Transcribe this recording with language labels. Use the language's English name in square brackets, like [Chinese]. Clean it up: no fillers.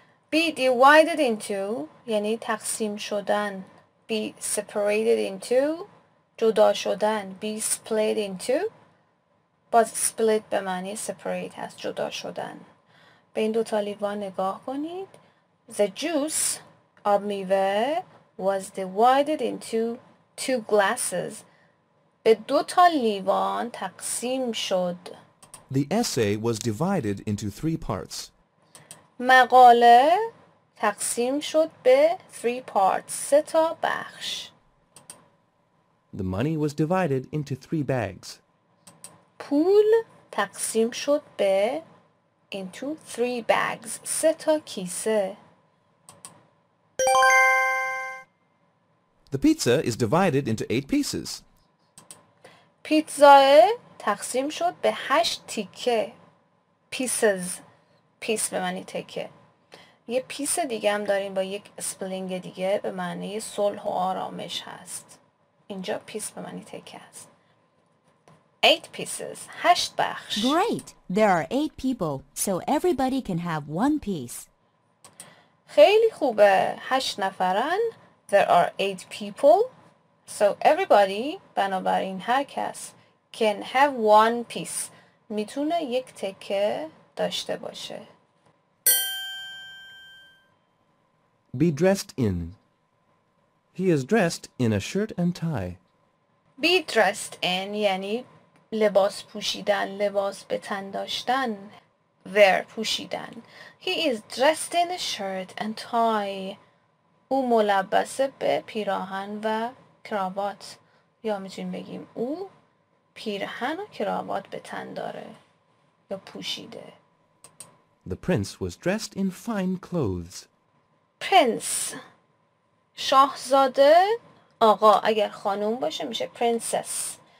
[English] Be divided into [Persian] یعنی تقسیم شدن. [English] Be separated into [Persian] جدا شدن. [English] Be split into [Persian] باز split به معنی separate هست جدا شدن. به این دو تا لیوان نگاه کنید. [English] The juice [Persian] آب میوه [English] was divided into two glasses. [Persian] به دو تا لیوان تقسیم شد. [English] The essay was divided into three parts. [Persian] مقاله تقسیم شد به [English] three parts. [Persian] سه تا بخش. [English] The money was divided into three bags. [Persian] پول تقسیم شد به [English] into three bags. [Persian] سه تا کیسه. [English] The pizza is divided into eight pieces. [Persian] پیتزا تقسیم شد به 8 تیکه. Pieces. Piece به معنی تیکه. یه پیس دیگه هم داریم با یک اسپلینگ دیگه به معنی صلح و آرامش هست. اینجا پیس به معنی تکه است. 8 pieces. 8 بخش. [English] Great. There are 8 people, so everybody can have one piece. [Persian] خیلی خوبه. 8 نفرن. [English] There are 8 people, so everybody, [Persian] بنابراین هر کس, [English] can have one piece. [Persian] میتونه یک تکه داشته باشه. [English] Be dressed in. He is dressed in a shirt and tie. Be dressed in [Persian] یعنی لباس پوشیدن, لباس به تن داشتن. Wear پوشیدن. [English] He is dressed in a shirt and tie. [Persian] او ملبسه به پیراهن و کراوات. یا میتونیم بگیم او پیراهن و کراوات به تن داره یا پوشیده. [English] The prince was dressed in fine clothes. [Persian] Prince. شاهزاده آقا اگر خانوم باشه میشه princess.